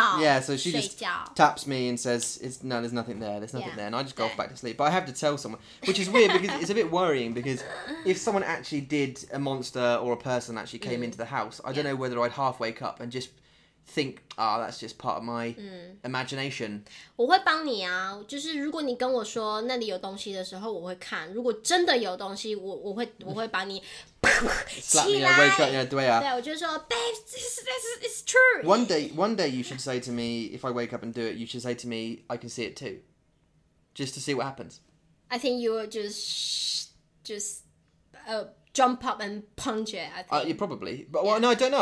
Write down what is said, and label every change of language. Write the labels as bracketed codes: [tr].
[en] yeah, so she 睡觉, just taps me and says, there's nothing there, there's nothing there, and I just go off back to sleep. But I have to tell someone, which is weird, because it's a bit worrying, because if someone actually did, a monster or a person actually came into the house, I don't know whether I'd half wake up and just think, ah, oh, that's just part of my imagination. [zh] 我会帮你啊, 就是如果你跟我说那里有东西的时候, 我会看, 如果真的有东西, 我会把你 [en] slap me, I wake up, yeah, 对啊, [zh] 对我就说, babe, this is true. [en] One day you should say to me, if I wake up and do it, you should say to me, I can see it too, just to see what happens. I think you would just jump up and punch it, I think. You probably. But, well, no, I don't know.